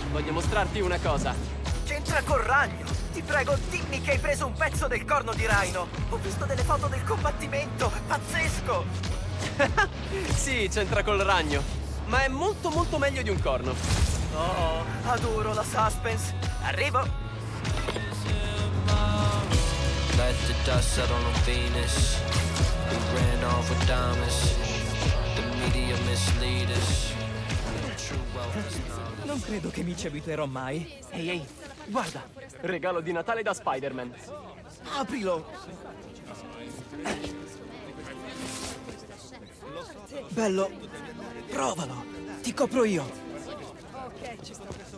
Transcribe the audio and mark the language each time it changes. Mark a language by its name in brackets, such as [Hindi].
[Italian] Voglio mostrarti una cosa. C'entra con Ragno! Ti prego, dimmi che hai preso un pezzo del corno di Rhino! Ho visto delle foto del combattimento! Pazzesco! Sì, c'entra col ragno. Ma è molto, molto meglio di un corno. Oh, adoro la suspense. Arrivo. [English] Let the dust settle on Venus. We ran off with diamonds. The media mislead us. [Italian] Non credo che mi ci abituerò mai. Ehi, ehi, guarda. Regalo di Natale da Spider-Man. Aprilo. Bello, provalo, ti copro io. Ok, ci sto.